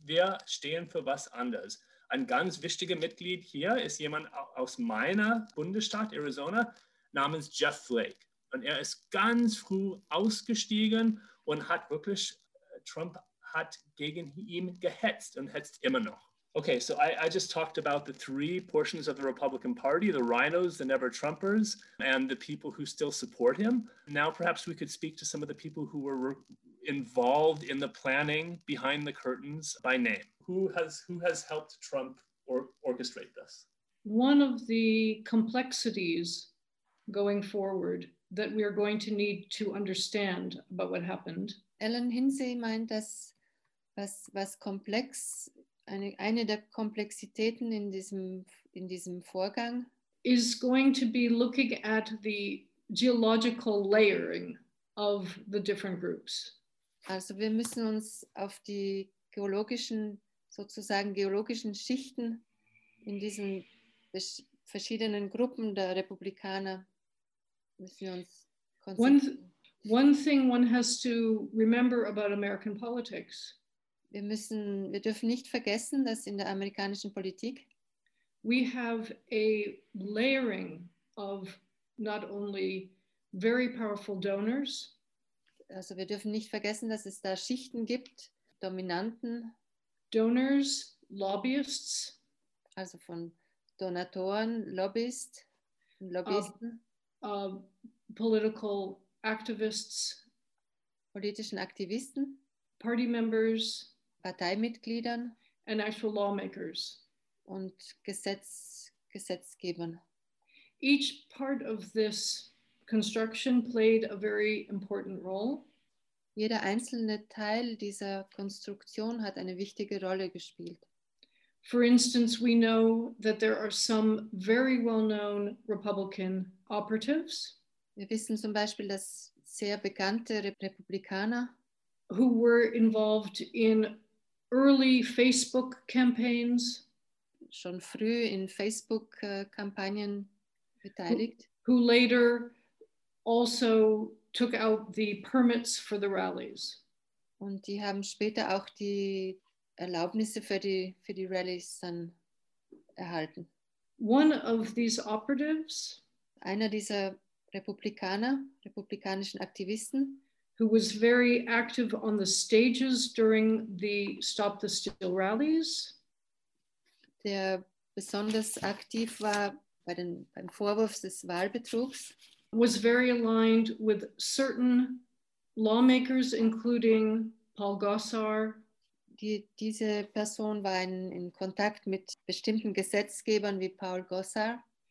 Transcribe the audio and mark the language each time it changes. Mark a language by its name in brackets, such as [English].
[German] Wir stehen für was anderes. Ein ganz wichtiger Mitglied hier ist jemand aus meiner Bundesstaat Arizona namens Jeff Flake. Und er ist ganz früh ausgestiegen und hat wirklich Trump hat gegen ihn gehetzt und hetzt immer noch. [English] Okay, so I just talked about the three portions of the Republican Party, the Rhinos, the Never Trumpers, and the people who still support him. Now perhaps we could speak to some of the people who were involved in the planning behind the curtains by name. Who has helped Trump orchestrate this? One of the complexities going forward that we are going to need to understand about what happened. [German] Ellen Hinsey meint, dass was komplex, eine der Komplexitäten in diesem Vorgang [English] is going to be looking at the geological layering of the different groups. [German] Also wir müssen uns auf die geologischen Schichten in diesen verschiedenen Gruppen der Republikaner müssen wir uns konzentrieren. [English] One thing one has to remember about American politics. [German] Wir dürfen nicht vergessen, dass in der amerikanischen Politik [English] we have a layering of not only very powerful donors. [German] Also wir dürfen nicht vergessen, dass es da Schichten gibt, dominanten [English] donors, lobbyists, [German] also von Donatoren, Lobbyisten, [English] political activists, [German] politischen Aktivisten, [English] party members, [German] Parteimitgliedern [English] and actual lawmakers [German] und Gesetzgebern. [English] Each part of this construction played a very important role. [German] Jeder einzelne Teil dieser Konstruktion hat eine wichtige Rolle gespielt. [English] For instance, we know that there are some very well-known Republican operatives. [German] Wir wissen zum Beispiel, dass sehr bekannte Republikaner [English] who were involved in early Facebook campaigns, [German] schon früh in Facebook-Kampagnen beteiligt, [English] who later also took out the permits for the rallies. [German] Und die haben später auch die Erlaubnisse für die Rallies dann erhalten. [English] One of these operatives, [German] einer dieser Republikaner, republikanischen Aktivisten, [English] who was very active on the stages during the Stop the Steal rallies, [German] der besonders aktiv war beim Vorwurf des Wahlbetrugs, [English] was very aligned with certain lawmakers, including Paul Gosar. [German] Diese Person war in Kontakt mit bestimmten Gesetzgebern wie Paul Gosar.